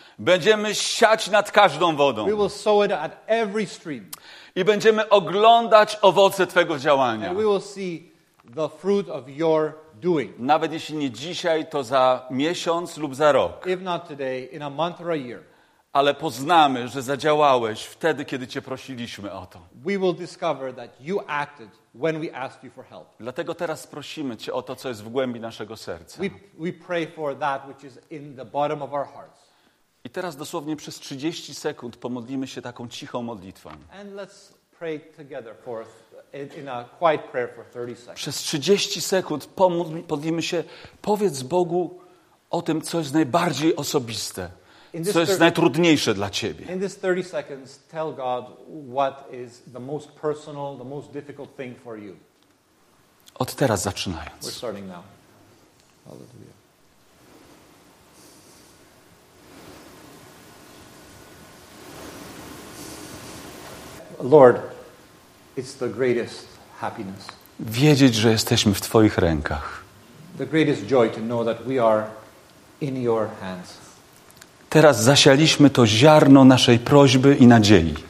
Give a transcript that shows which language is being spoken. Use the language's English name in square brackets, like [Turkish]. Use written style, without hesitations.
[Polish] Będziemy siać nad każdą wodą. [English] We will sow it at every stream. [Polish] I będziemy oglądać owoce Twojego działania. [English] And we will see the fruit of your doing. [Polish] Nawet jeśli nie dzisiaj, to za miesiąc lub za rok. [English] If not today, in a month or a year. [Polish] Ale poznamy, że zadziałałeś wtedy, kiedy cię prosiliśmy o to. [English] We will discover that you acted when we asked you for help. [Polish] Dlatego teraz prosimy cię o to, co jest w głębi naszego serca. [English] We pray for that which is in the bottom of our hearts. [Polish] I teraz dosłownie przez 30 sekund pomodlimy się taką cichą modlitwą. [English] And let's pray together for in a quiet prayer for 30 seconds. [Polish] Przez 30 sekund pomodlimy się, powiedz Bogu o tym, co jest najbardziej osobiste. co jest najtrudniejsze dla ciebie. [English] In this 30 seconds, tell God what is the most personal, the most difficult thing for you. [Polish] Od teraz zaczynając. [English] We're starting now. Hallelujah. Lord, it's the greatest happiness. [Polish] Wiedzieć, że jesteśmy w Twoich rękach. [English] The greatest joy to know that we are in your hands. [Polish] Teraz zasialiśmy to ziarno naszej prośby i nadziei.